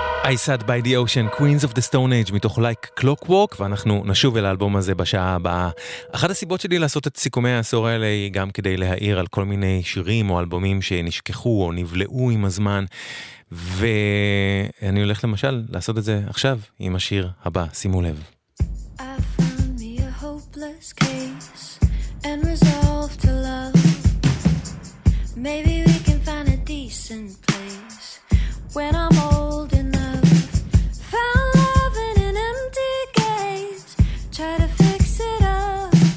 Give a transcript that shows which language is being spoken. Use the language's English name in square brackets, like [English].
[Hebrew] I Sat By The Ocean, Queens Of The Stone Age, מתוך Like Clockwork, ואנחנו נשוב אל האלבום הזה בשעה הבאה. אחת הסיבות שלי לעשות את סיכומי העשור האלה היא גם כדי להעיר על כל מיני שירים או אלבומים שנשכחו או נבלעו עם הזמן, ואני הולך למשל לעשות את זה עכשיו עם השיר הבא, שימו לב. [English] I found me a hopeless case and resolved to love. Maybe we can find a decent place when I'm old and Found love in an empty gaze Try to fix it up